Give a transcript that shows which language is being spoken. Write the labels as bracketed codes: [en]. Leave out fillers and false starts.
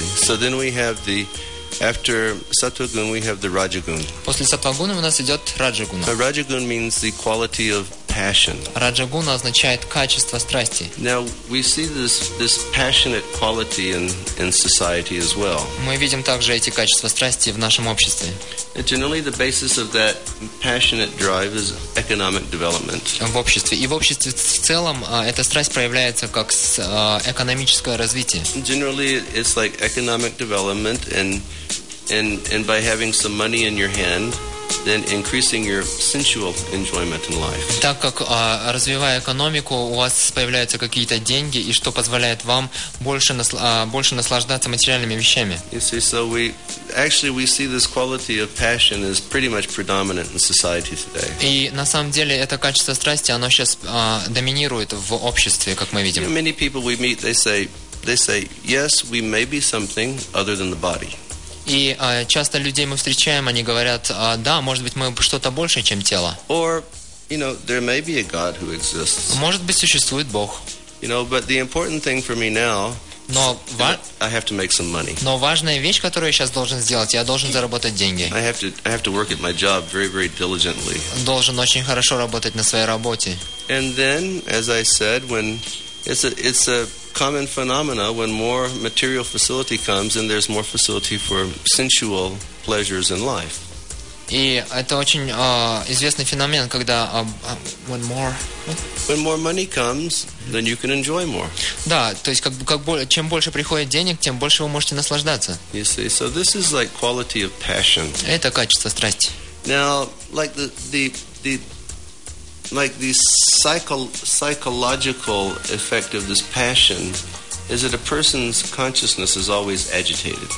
[en] So then we have the After Sattva-guna, we have the Rajaguna. [ru] После Сатвагуны у нас идет Раджагуна. [en] A Rajaguna means the quality of passion. [ru] Раджагуна означает качество страсти. [en] Now we see this passionate quality in society as well. [ru] Мы видим также эти качества страсти в нашем обществе. [en] And generally, the basis of that passionate drive is economic development. [ru] В обществе и в обществе в целом эта страсть проявляется как экономическое развитие. [en] Generally, it's like economic development and by having some money in your hand, then increasing your sensual enjoyment in life. [ru] Так как развивая экономику, у вас появляются какие-то деньги, и что позволяет вам больше наслаждаться материальными вещами. [en] You see, so we see this quality of passion is pretty much predominant in society today. [ru] И на самом деле это качество страсти, оно сейчас доминирует в обществе, как мы видим. [en] You know, many people we meet, they say, yes, we may be something other than the body. [ru] И часто людей мы встречаем, они говорят, да, может быть, мы что-то большее, чем тело. [en] Or, you know, there may be a God who exists. [ru] Может быть, существует Бог. [en] You know, but the important thing for me now, I have to make some money. [ru] Но важная вещь, которую я сейчас должен сделать, я должен заработать деньги. [en] I have to work at my job very, very diligently. [ru] Должен очень хорошо работать на своей работе. [en] And then, as I said, when it's a common phenomena when more material facility comes and there's more facility for sensual pleasures in life. [ru] И это очень известный феномен, когда [en] when more money comes, then you can enjoy more. [ru] Да, то есть как чем больше приходит денег, тем больше вы можете наслаждаться. [en] You see, so this is like quality of passion. [ru] Это качество страсти. [en] Now, like the psychological effect of this passion is that a person's consciousness is always agitated.